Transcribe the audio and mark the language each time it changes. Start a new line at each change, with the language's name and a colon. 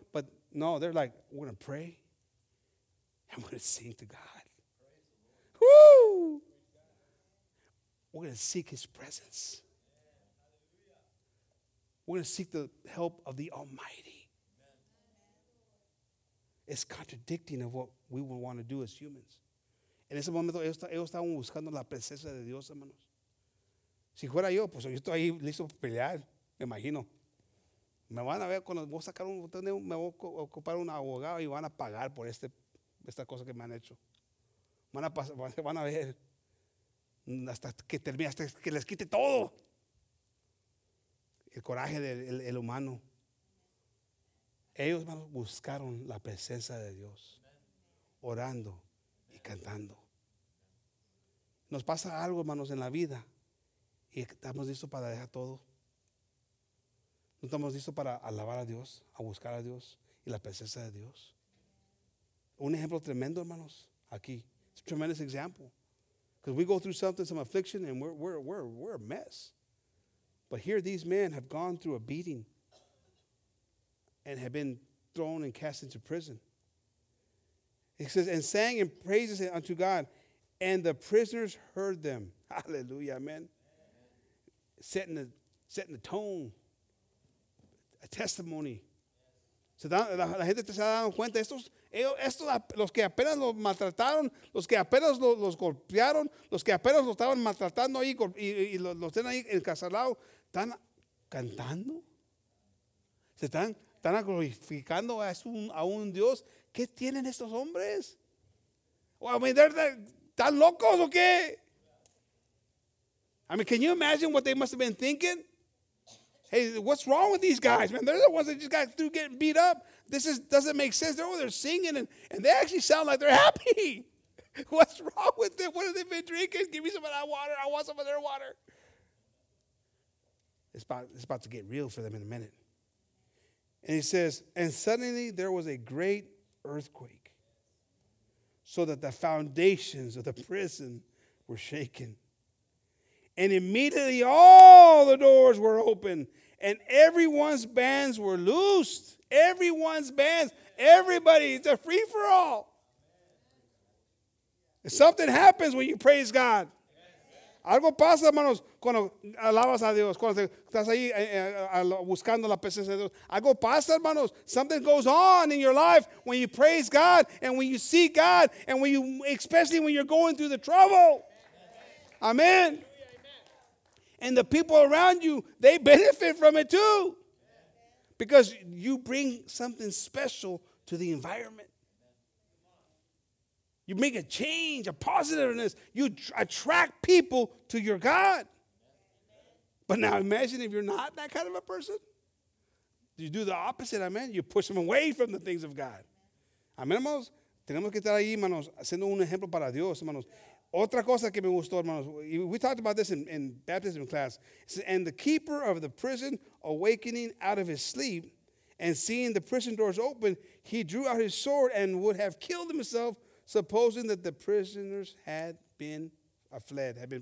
English: But no, they're like, we're going to pray and we're going to sing to God. Woo! We're going to seek his presence. We're going to seek the help of the Almighty. It's contradicting of what we would want to do as humans.
Spanish: En ese momento, ellos estaban buscando la presencia de Dios, hermanos. Si fuera yo, pues yo estoy ahí listo para pelear, me imagino. Me van a ver cuando voy a sacar un botón, me voy a ocupar un abogado y van a pagar por esta cosa que me han hecho. Van a ver hasta que termine, hasta que les quite todo. El coraje del humano. Ellos buscaron la presencia de Dios, orando y cantando. Nos pasa algo, hermanos, en la vida y estamos listos para dejar todo. No estamos listos para alabar a Dios, a buscar a Dios y la presencia de Dios. Un ejemplo tremendo, hermanos, aquí.
English: It's a tremendous example. Because we go through something, some affliction, and we're a mess. But here these men have gone through a beating and have been thrown and cast into prison. It says, and sang and praises unto God, and the prisoners heard them. Hallelujah, amen. Setting the tone, a testimony.
Spanish: La gente se ha dado cuenta, estos los que apenas los maltrataron, los que apenas los golpearon, los que apenas los estaban maltratando ahí y los tienen ahí encarcelados, están cantando. Están glorificando a un Dios. ¿Qué tienen estos hombres?
English: Well, I mean,
Spanish: ¿están locos o qué?
English: I mean, can you imagine what they must have been thinking? Hey, what's wrong with these guys, man? They're the ones that just got through getting beat up. This is doesn't make sense. They're over there singing, and they actually sound like they're happy. What's wrong with them? What have they been drinking? Give me some of that water. I want some of their water. It's about to get real for them in a minute. And he says, and suddenly there was a great earthquake so that the foundations of the prison were shaken. And immediately all the doors were open and everyone's bands were loosed. Everyone's bands. Everybody, it's a free for all. Something happens when you praise God.
Spanish: Algo pasa, hermanos, cuando alabas a Dios. Cuando estás ahí buscando la presencia de Dios. Algo pasa, hermanos.
English: Something goes on in your life when you praise God and when you seek God and when you, especially when you're going through the trouble. Amen. And the people around you, they benefit from it too. Because you bring something special to the environment. You make a change, a positiveness. You attract people to your God. But now imagine if you're not that kind of a person. You do the opposite, amen. You push them away from the things of God.
Spanish: Amén, hermanos. Tenemos que estar ahí, hermanos, haciendo un ejemplo para Dios, hermanos. Otra cosa que me gustó, hermanos.
English: We talked about this in baptism class. And the keeper of the prison, awakening out of his sleep and seeing the prison doors open, he drew out his sword and would have killed himself, supposing that the prisoners had been fled.